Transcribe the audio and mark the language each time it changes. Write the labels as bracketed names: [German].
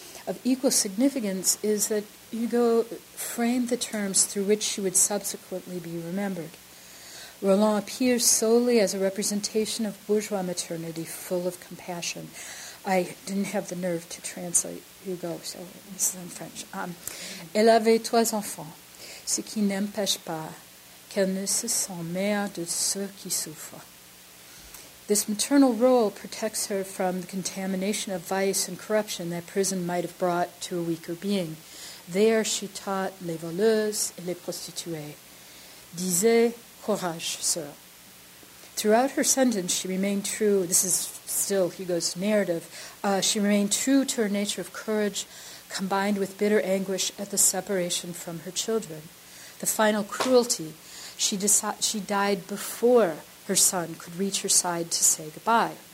[English] Of equal significance is that Hugo framed the terms through which she would subsequently be remembered. Roland appears solely as a representation of bourgeois maternity full of compassion. I didn't have the nerve to translate Hugo, so this is in French. [French] Elle avait trois enfants, ce qui n'empêche pas qu'elle ne se sent mère de ceux qui souffrent. [English] This maternal role protects her from the contamination of vice and corruption that prison might have brought to a weaker being. There she taught [French] les voleuses et les prostituées. Disait, courage, sir. [English] Throughout her sentence, she remained true, this is still Hugo's narrative, she remained true to her nature of courage, combined with bitter anguish at the separation from her children. The final cruelty, she died before her son could reach her side to say goodbye.